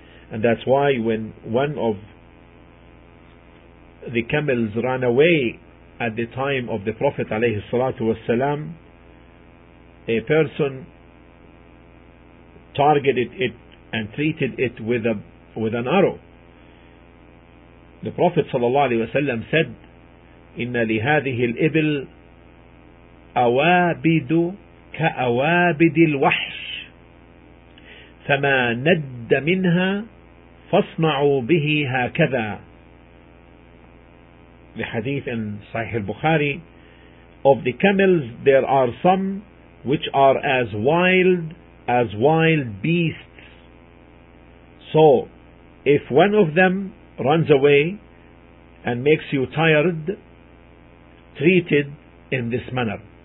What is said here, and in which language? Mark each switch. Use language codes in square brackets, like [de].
[en] And that's why when one of the camels ran away at the time of the Prophet alayhi salatu wasalam, a person targeted it and treated it with an arrow. The Prophet sallallahu alayhi wasalam said, [ar] إِنَّ لِهَذِهِ الْإِبِلْ أَوَابِدُ كَأَوَابِدِ الْوَحْشِ فَمَا نَدَّ مِنْهَا فَاصْنَعُوا بِهِ هَكَذَا. [en] The hadith in Sahih al-Bukhari: of the camels there are some which are as wild beasts. So if one of them runs away and makes you tired, treated in this manner.